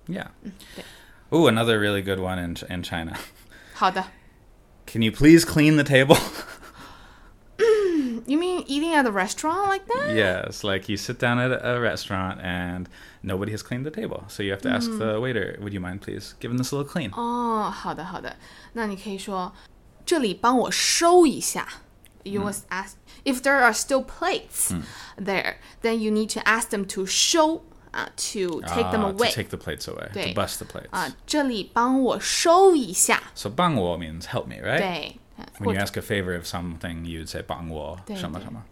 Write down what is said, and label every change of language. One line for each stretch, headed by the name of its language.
English: Yeah. Ooh, another really good one in China.
Chinese: 好的。
English: Can you please clean the table? You mean eating at a restaurant like that? Yes, like you sit down at a restaurant and nobody has cleaned the table. So you have to ask、mm. the waiter, would you mind please giving this a little clean?
Chinese: Oh, 好的好的。那你可以说,这里帮我收一下。
English: You must ask if there are still plates there, then you need to ask them to show to take them away. To take the plates away. To bust the plates.
Chinese: 这里帮我收一下。
English: So
Chinese: 帮我
English: means help me, right? When you ask a favor of something, you'd say
Chinese: 帮我什么什么。